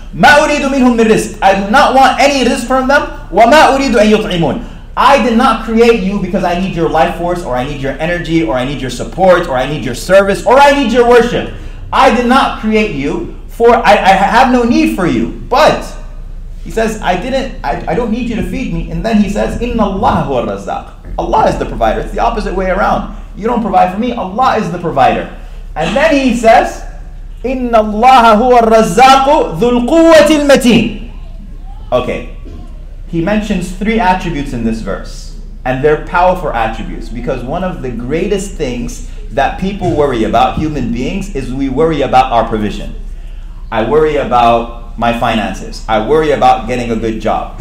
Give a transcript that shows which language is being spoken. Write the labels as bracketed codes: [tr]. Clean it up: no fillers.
[ar] مَا أُرِيدُ مِنْهُمْ مِنْ رِزْقٍ, [en] I do not want any risk from them. [ar] وَمَا أُرِيدُ أَنْ يُطْعِمُونَ, [en] I did not create you because I need your life force, or I need your energy, or I need your support, or I need your service, or I need your worship. I did not create you for, I have no need for you. But He says, I don't need you to feed me. And then He says, [ar] إِنَّ اللَّهَ هُوَ الرَّزَّاقُ, [en] Allah is the provider. It's the opposite way around. You don't provide for me, Allah is the provider. And then He says, [ar] إِنَّ اللَّهَ هُوَ الرَّزَّاقُ ذُو الْقُوَّةِ الْمَتِينَ. [en] Okay. He mentions three attributes in this verse. And they're powerful attributes. Because one of the greatest things that people worry about, human beings, is we worry about our provision. I worry about my finances. I worry about getting a good job.